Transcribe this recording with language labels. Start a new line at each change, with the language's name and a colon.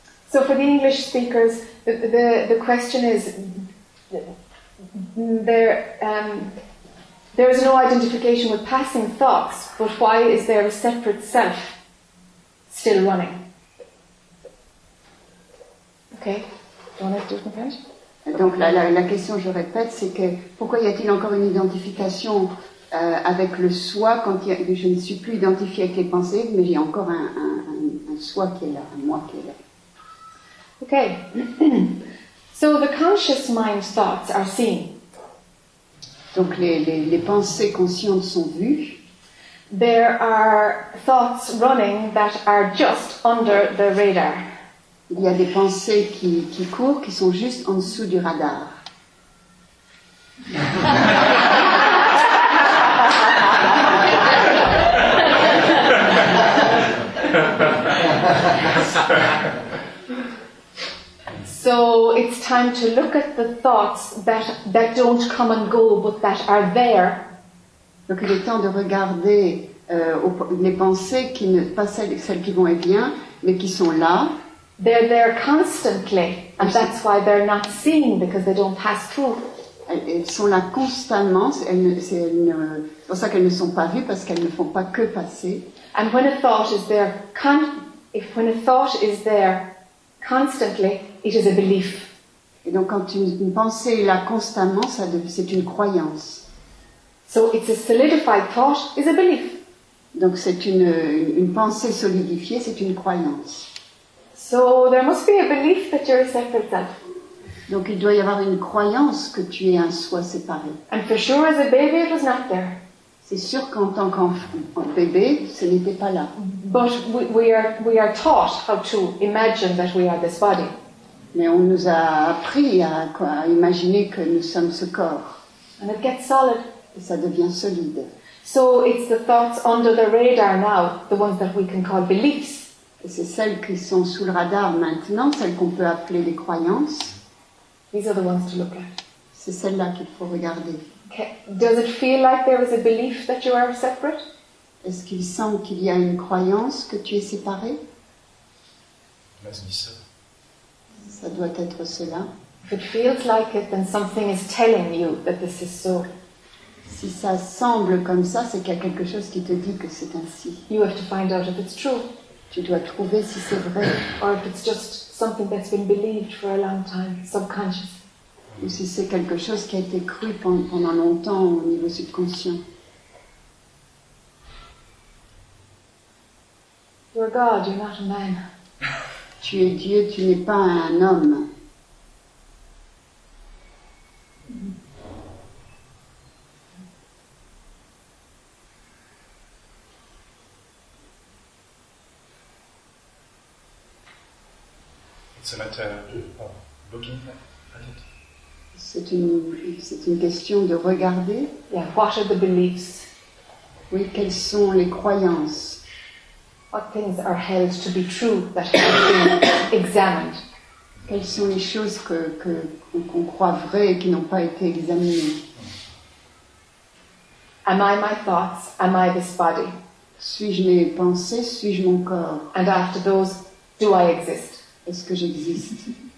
English: So for the English speakers, the question is, there is no identification with passing thoughts, but why is there a separate self still running? Okay, do you want to do it in French?
French: Donc la question, je répète, c'est que pourquoi y a-t-il encore une identification avec le soi quand je ne suis plus identifié avec les pensées, mais j'ai encore un soi qui est là, un moi qui est là.
English: Okay, so the conscious mind thoughts are seen.
French: Donc les pensées conscientes sont vues.
English: There are thoughts running that are just under the radar.
French: Il y a des pensées qui courent, qui sont juste en dessous du radar.
English: So it's time to look at the thoughts that don't come and go, but that are there.
French: Donc il est temps de regarder les pensées qui ne pas celles qui vont et viennent, mais qui sont là.
English: They're there constantly, and that's why they're not seen because they don't pass through.
French: Elles sont là constamment. C'est pour ça qu'elles ne sont pas vues parce qu'elles ne font pas que passer.
English: And when a thought is there, constantly, it is a belief.
French: Et donc quand une pensée est là constamment, c'est une croyance.
English: So it's a solidified thought, is a belief.
French: Donc c'est une pensée solidifiée, c'est une croyance.
English: So there must be a belief that you're a separate self.
French: Donc il doit y avoir une croyance que tu es un soi séparé.
English: And for sure as a baby it was not there.
French: C'est sûr qu'en tant qu'enfant, bébé, ce n'était pas là.
English: But we are taught how to imagine that we are this body.
French: Mais on nous a appris à imaginer que nous sommes ce corps.
English: And it gets solid.
French: Et ça devient solide.
English: So it's the thoughts under the radar now, the ones that we can call beliefs.
French: Et c'est celles qui sont sous le radar maintenant, celles qu'on peut appeler les croyances.
English: These are the ones to look at.
French: C'est celles-là qu'il faut regarder.
English: Okay. Does it feel like there is a belief that you are separate?
French: Est-ce qu'il semble qu'il y a une croyance que tu es séparé? Ça doit être cela.
English: If it feels like it, then something is telling you that this is so.
French: Si ça semble comme ça, c'est qu'il y a quelque chose qui te dit que c'est ainsi.
English: You have to find out if it's true.
French: Tu dois trouver si c'est vrai.
English: Or if it's just something that's been believed for a long time, subconscious.
French: Ou si c'est quelque chose qui a été cru pendant longtemps au niveau subconscient.
English: You're God, you're not a man.
French: Tu es Dieu, tu n'es pas un homme.
English: It's a matter of looking at it.
French: C'est une question de regarder.
English: Yeah, what are the beliefs?
French: Oui, quelles sont les croyances?
English: What things are held to be true that have been examined?
French: Quelles sont les choses qu'on croit vraies et qui n'ont pas été examinées?
English: Am I my thoughts? Am I this body?
French: Suis-je mes pensées? Suis-je mon corps?
English: And after those, do I exist?
French: Est-ce que j'existe?